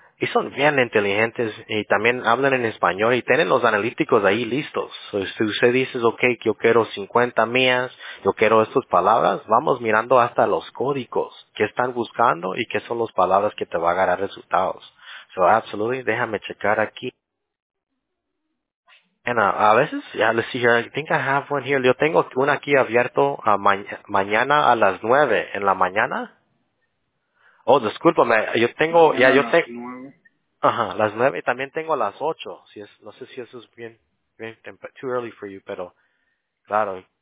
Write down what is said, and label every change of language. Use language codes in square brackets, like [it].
[es] Y son bien inteligentes y también hablan en español y tienen los analíticos ahí listos. So, si usted dice, okay, yo quiero 50 mías, yo quiero estas palabras, vamos mirando hasta los códigos que están buscando y qué son las palabras que te va a dar resultados. So, absolutely, déjame checar aquí. [en] And [es] a veces, [en] yeah, let's see here, I think I have one here. [es] Yo tengo una aquí abierto a mañana a las 9 en la mañana. Oh, discúlpame, yo tengo, ya, yeah, yo tengo, ajá, las 9, también tengo las 8, si es, no sé si eso es bien, bien, [en] too early for you, [es] pero, claro.